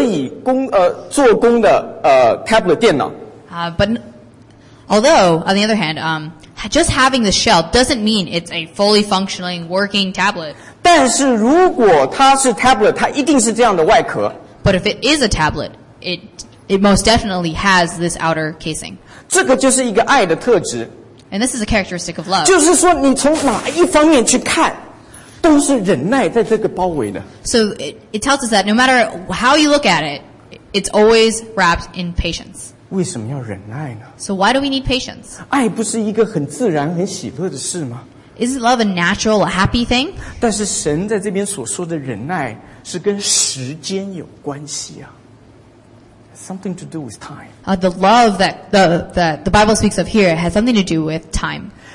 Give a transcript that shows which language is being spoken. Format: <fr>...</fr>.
<zh>但是光光有这个壳,不代表说它是一个可以做工的tablet电脑。</zh> <en>But although, on the other hand, just having the shell doesn't mean it's a fully functioning, working tablet.</en> <zh>但是如果它是tablet, 它一定是这样的外壳。</zh> <en>But if it is a tablet, it most definitely has this outer casing.</en> <zh>这个就是一个爱的特质。</zh> <en>And this is a characteristic of love.</en> <zh>就是说你从哪一方面去看, 都是忍耐在这个包围的。</zh> <en>So it tells us that no matter how you look at it, it's always wrapped in patience.</en> <zh>为什么要忍耐呢?</zh> <en>So why do we need patience?</en> <zh>爱不是一个很自然,很喜乐的事吗?</zh> <en>Isn't love a natural, a happy thing?</en> <zh>但是神在这边所说的忍耐是跟时间有关系啊。</zh> <en>Something to do with time. The love that the Bible speaks of here has something to do with time.</en>